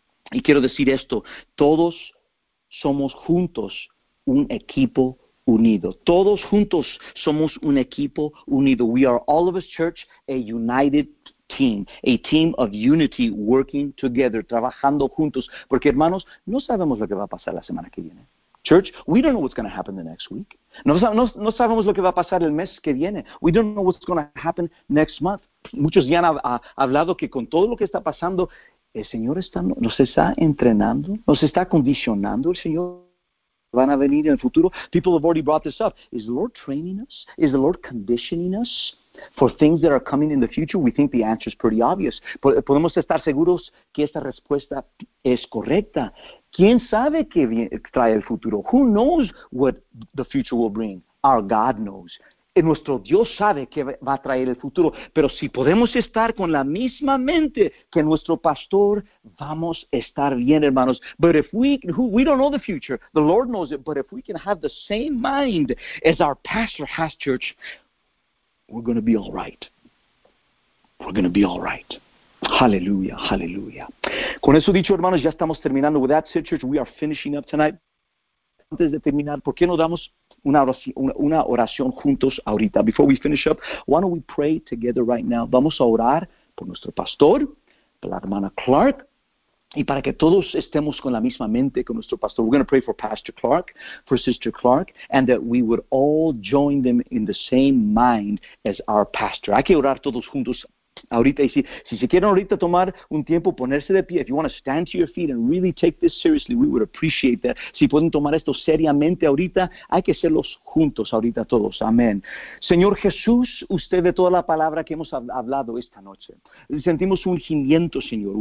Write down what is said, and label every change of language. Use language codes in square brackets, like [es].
[es] Y quiero decir esto, todos somos juntos un equipo unido. Todos juntos somos un equipo unido. [en] We are all of us, church, a united team, a team of unity working together, [es] trabajando juntos. Porque hermanos, no sabemos lo que va a pasar la semana que viene. [en] Church, we don't know what's going to happen the next week. [es] No sabemos lo que va a pasar el mes que viene. [en] We don't know what's going to happen next month. [es] Muchos ya han hablado que con todo lo que está pasando, el Señor nos está entrenando, nos está condicionando. El Señor van a venir en el futuro. [en] People have already brought this up. Is the Lord training us? Is the Lord conditioning us for things that are coming in the future? We think the answer is pretty obvious. [es] Podemos estar seguros que esta respuesta es correcta. ¿Quién sabe qué trae el futuro? [en] Who knows what the future will bring? Our God knows. [es] Nuestro Dios sabe que va a traer el futuro, pero si podemos estar con la misma mente que nuestro pastor, vamos a estar bien, hermanos. [en] But if we don't know the future, the Lord knows it, but if we can have the same mind as our pastor has, church, we're going to be all right. We're going to be all right. [es] Hallelujah, hallelujah. Con eso dicho, hermanos, ya estamos terminando. [en] With that said, church, we are finishing up tonight. [es] Antes de terminar, ¿por qué no damos una oración juntos ahorita? [en] Before we finish up, why don't we pray together right now? [es] Vamos a orar por nuestro pastor, por la hermana Clark, y para que todos estemos con la misma mente con nuestro pastor. [en] We're going to pray for Pastor Clark, for Sister Clark, and that we would all join them in the same mind as our pastor. [es] Hay que orar todos juntos ahorita. Y si se quieren ahorita tomar un tiempo, ponerse de pie, [en] if you want to stand to your feet and really take this seriously, we would appreciate that. [es] Si pueden tomar esto seriamente ahorita, hay que hacerlos juntos ahorita todos. Amén. Señor Jesús, usted de toda la palabra que hemos hablado esta noche, sentimos un ungimiento, Señor.